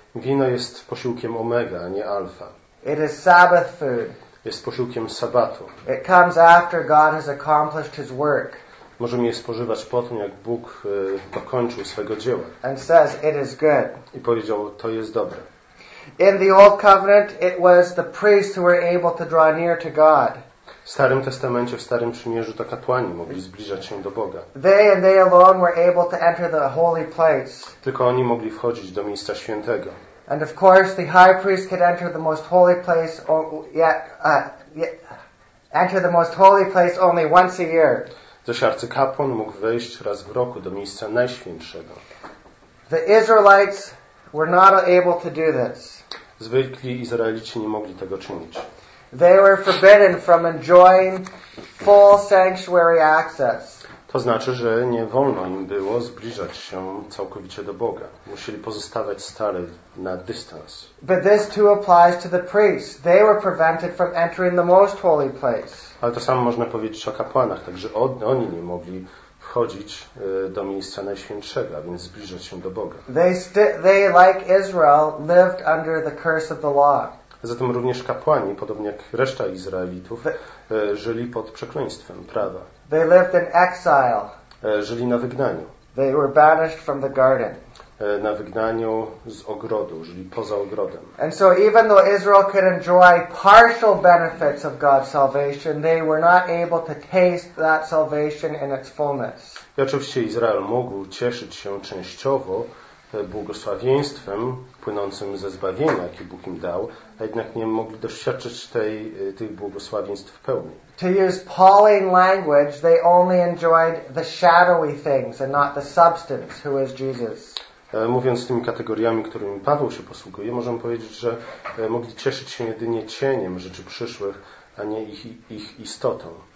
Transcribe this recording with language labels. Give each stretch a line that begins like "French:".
Polish: Wino jest posiłkiem omega, a nie alfa.
English: It is Sabbath food.
Polish: Jest posiłkiem sabatu.
English: It comes after God has accomplished his work.
Polish: Możemy je spożywać po tym, jak Bóg dokończył swego dzieła.
English: And says, it is good.
Polish: I powiedział, to jest dobre.
English: In the Old Covenant, it was the priests who were able to draw near to God.
Polish: W Starym Testamencie, w Starym Przymierzu, to kapłani mogli zbliżać się do Boga.
English: They and they alone were able to enter the holy place.
Polish: Tylko oni mogli wchodzić do miejsca świętego.
English: And of course, the high priest could enter the most holy place, only once a year.
Polish: Zaś arcykapłan mógł wejść raz w roku do miejsca najświętszego.
English: The Israelites were not able to do this.
Polish: Zwykli Izraelici nie mogli tego czynić.
English: They were forbidden from enjoying full sanctuary access.
Polish: To znaczy, że nie wolno im było zbliżać się całkowicie do Boga. Musieli pozostawać stale na dystans.
English: But this too applies to the priests. They were prevented from entering the most holy place.
Polish: Ale to samo można powiedzieć o kapłanach. Także oni nie mogli wchodzić do miejsca najświętszego, a więc zbliżać się do Boga.
English: They like Israel, lived under the curse of the law.
Polish: Zatem również kapłani, podobnie jak reszta Izraelitów, żyli pod przekleństwem prawa.
English: They lived in exile.
Polish: Żyli na wygnaniu.
English: They were banished from the garden.
Polish: Na wygnaniu z ogrodu, żyli poza ogrodem.
English: And so even though Israel could enjoy partial benefits of God's salvation, they were not able to taste that salvation in its fullness.
Polish: I oczywiście Izrael mógł cieszyć się częściowo błogosławieństwem płynącym ze zbawienia, jakie Bóg im dał, a jednak nie mogli doświadczyć tych błogosławieństw w pełni.
English: To use Pauline language, they only enjoyed the shadowy things and not the substance, who is Jesus.
Polish: Mówiąc tymi kategoriami, którymi Paweł się posługuje, możemy powiedzieć, że mogli cieszyć się jedynie cieniem rzeczy przyszłych, a nie ich istotą.